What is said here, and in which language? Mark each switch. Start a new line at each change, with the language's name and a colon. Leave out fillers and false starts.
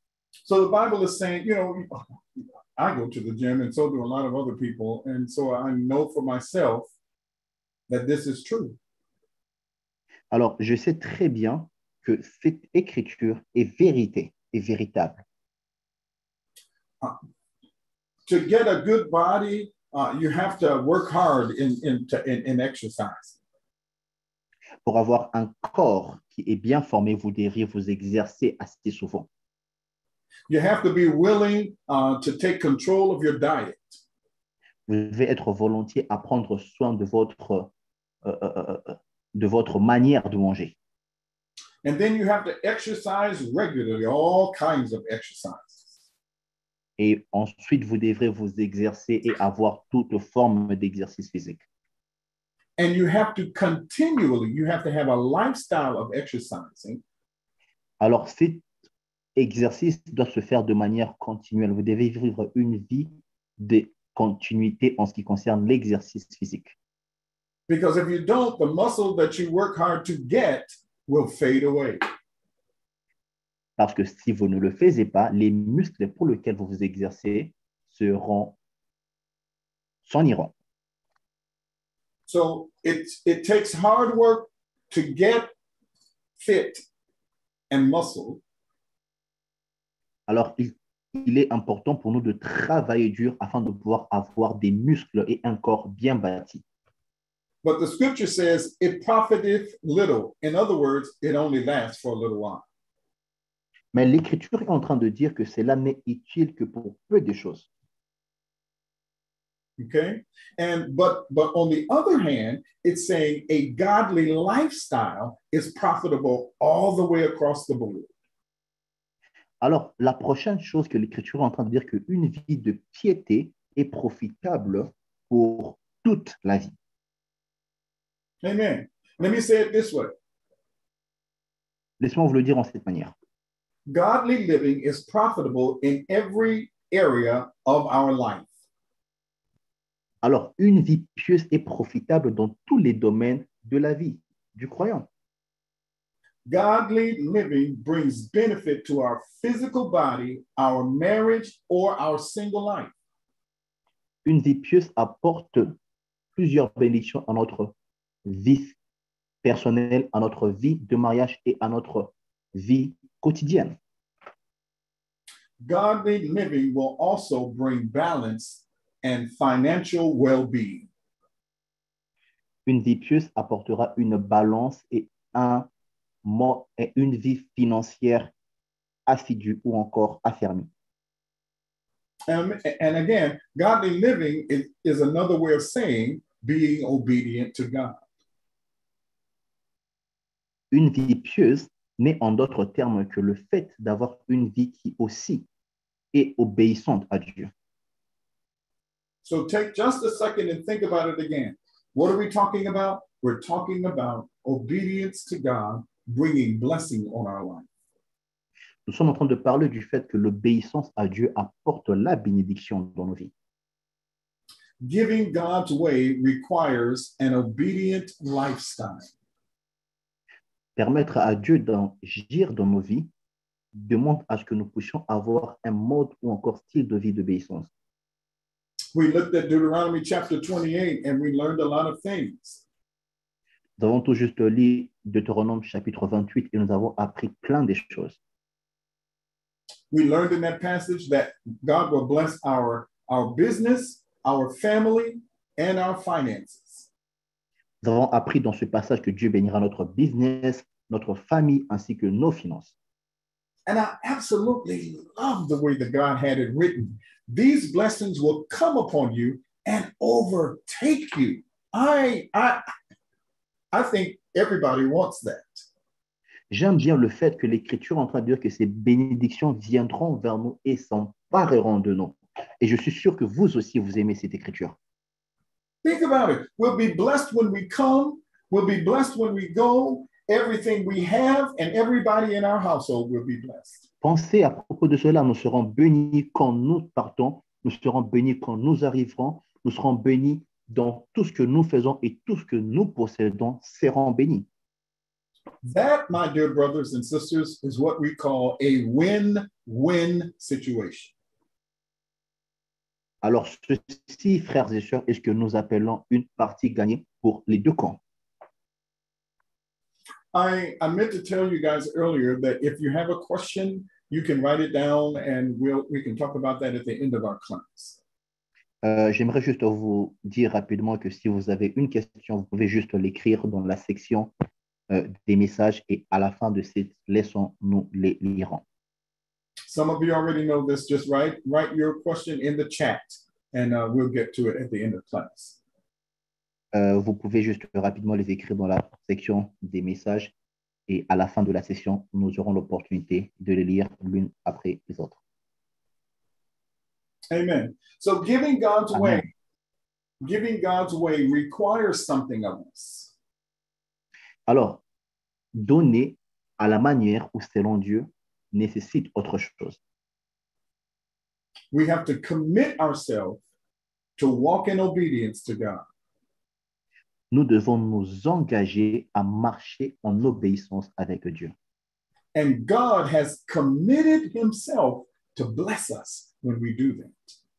English: So the Bible is saying, you know, I go to the gym and so do a lot of other people, and so I know for myself that this is true.
French: Alors, je sais très bien que cette écriture est vérité, est véritable.
English: To get a good body, you have to work hard in exercise.
French: Pour avoir un corps qui est bien formé, vous devriez vous exercer assez souvent.
English: You have to be willing, to take control of your diet.
French: Vous devez être volontiers à prendre soin de votre manière de manger.
English: And then you have to exercise regularly, all kinds of exercises.
French: Et ensuite, vous devrez vous exercer et avoir toute forme d'exercice physique.
English: And you have to continually, you have to have a lifestyle of exercising.
French: Alors, cet exercice doit se faire de manière continuelle. Vous devez vivre une vie de continuité en ce qui concerne l'exercice physique.
English: Because if you don't, the muscle that you work hard to get will fade away.
French: Parce que si vous ne le faites pas, les muscles pour lesquels vous vous exercez s'en iront.
English: So it takes hard work to get fit and muscle.
French: Alors, il est important pour nous de travailler dur afin de pouvoir avoir des muscles et un corps bien bâti.
English: But the scripture says it profiteth little. In other words, it only lasts for a little while.
French: Mais l'Écriture est en train de dire que cela n'est utile que pour peu de choses.
English: Okay? And but on the other hand, it's saying a godly lifestyle is profitable all the way across the board.
French: Alors, la prochaine chose que l'Écriture est en train de dire, que une vie de piété est profitable pour toute la vie.
English: Amen. Let me say it this way.
French: Laisse-moi vous le dire en cette manière.
English: Godly living is profitable in every area of our life.
French: Alors, une vie pieuse est profitable dans tous les domaines de la vie du croyant.
English: Godly living brings benefit to our physical body, our marriage, or our single life.
French: Une vie pieuse apporte plusieurs bénédictions à notre vie personnelle, à notre vie de mariage et à notre vie quotidienne.
English: Godly living will also bring balance and financial well-being.
French: Une vie pieuse apportera une balance et une vie financière assidue ou encore affermie.
English: And again, godly living is another way of saying being obedient to God.
French: Une vie pieuse n'est en d'autres termes que le fait d'avoir une vie qui aussi est obéissante à Dieu.
English: So take just a second and think about it again. What are we talking about? We're talking about obedience to God, bringing blessing on our life.
French: Nous sommes en train de parler du fait que l'obéissance à Dieu apporte la bénédiction dans nos vies.
English: Giving God's way requires an obedient lifestyle.
French: Permettre à Dieu d'agir dans nos vies demande à ce que nous puissions avoir un mode ou encore style de vie d'obéissance.
English: We looked at Deuteronomy chapter 28 and we learned a lot of things.
French: Nous avons tout juste lu Deutéronome chapitre 28 et nous avons appris plein de choses.
English: We learned in that passage that God will bless our business, our family, and our finances.
French: Nous avons appris dans ce passage que Dieu bénira notre business, notre famille, ainsi que nos finances.
English: And I absolutely love the way that God had it written. These blessings will come upon you and overtake you. I think everybody wants that.
French: J'aime bien le fait que l'Écriture est en train de dire que ces bénédictions viendront vers nous et s'empareront de nous. Et je suis sûr que vous aussi, vous aimez cette Écriture.
English: Think about it. We'll be blessed when we come. We'll be blessed when we go. Everything we have and everybody in our household will be blessed.
French: Pensez à propos de cela. Nous serons bénis quand nous partons. Nous serons bénis quand nous arriverons. Nous serons bénis dans tout ce que nous faisons et tout ce que nous possédons seront bénis.
English: That, my dear brothers and sisters, is what we call a win-win situation.
French: Alors ceci, frères et sœurs, est ce que nous appelons une partie gagnée pour les deux camps.
English: I meant to tell you guys earlier that if you have a question, you can write it down and we can talk about that at the end of our class.
French: J'aimerais juste vous dire rapidement que si vous avez une question, vous pouvez juste l'écrire dans la section des messages et à la fin de cette leçon, nous les lirons.
English: Some of you already know this. Just write your question in the chat and we'll get to it at the end of class.
French: Vous pouvez juste rapidement les écrire dans la section des messages et à la fin de la session, nous aurons l'opportunité de les lire l'une après les autres.
English: Amen. So giving God's Amen. Way, giving God's way requires something of us.
French: Alors, donner à la manière ou selon Dieu nécessite autre chose.
English: We have to commit ourselves to walk in obedience to God.
French: Nous devons nous engager à marcher en obéissance avec Dieu.
English: And God has committed himself to bless us when we do that.